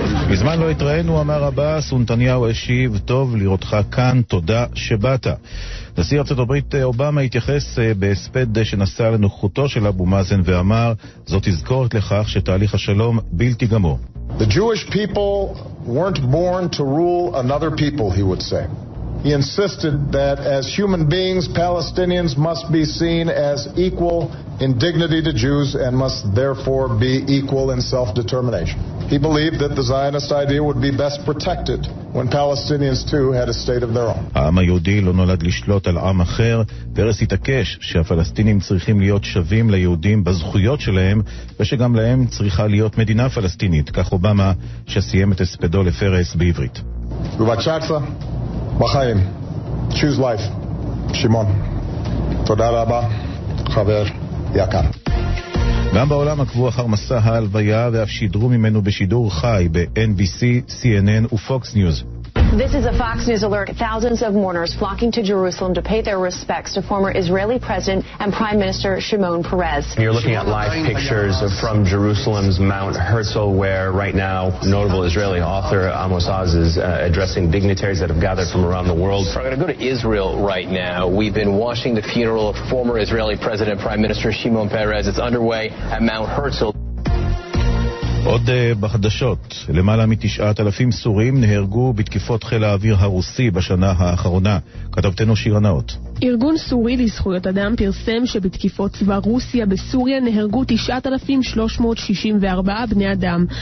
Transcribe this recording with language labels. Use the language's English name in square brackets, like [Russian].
[Hebrew] מזמן לא התראינו, אמר אבאס, ונתניהו השיב, טוב לראותך כאן, תודה שבאת. נשיא ארצות הברית אובמה התייחס בהספד שנסע לנוכחותו של אבו מאזן ואמר, זאת תזכורת לכך שתהליך השלום בלתי גמור. [English] The Jewish people weren't born to rule another people, he would say. He insisted that as human beings, Palestinians must be seen as equal in dignity to Jews and must therefore be equal in self-determination. He believed that the Zionist idea would be best protected when Palestinians too had a state of their own. [Hebrew] העם היהודי לא נולד לשלוט על עם אחר, פרס התעקש שהפלסטינים צריכים להיות שווים ליהודים בזכויות שלהם ושגם להם צריכה להיות מדינה פלסטינית, כך אובמה שסיים את הספדו לפרס בעברית. ובצ'אצה, בחיים, [English] choose life, [Hebrew] שמעון. תודה רבה, חבר יקר. גם בעולם עקבו אחר מסע ההלוויה ואף שידרו ממנו בשידור חי ב-NBC, CNN ופוקס ניוז. [English] This is a Fox News alert. Thousands of mourners flocking to Jerusalem to pay their respects to former Israeli President and Prime Minister Shimon Peres. You're looking at live pictures from Jerusalem's Mount Herzl, where right now notable Israeli author Amos Oz is addressing dignitaries that have gathered from around the world. We're going to go to Israel right now. We've been watching the funeral of former Israeli President Prime Minister Shimon Peres. It's underway at Mount Herzl. [Hebrew] עוד בחדשות, למעלה מ-9,000 סורים נהרגו בתקיפות חיל האוויר הרוסי בשנה האחרונה. כתבתנו שיר הנאות. ארגון סורי לזכויות אדם פרסם שבתקיפות צבא רוסיה בסוריה נהרגו 9,364 בני אדם.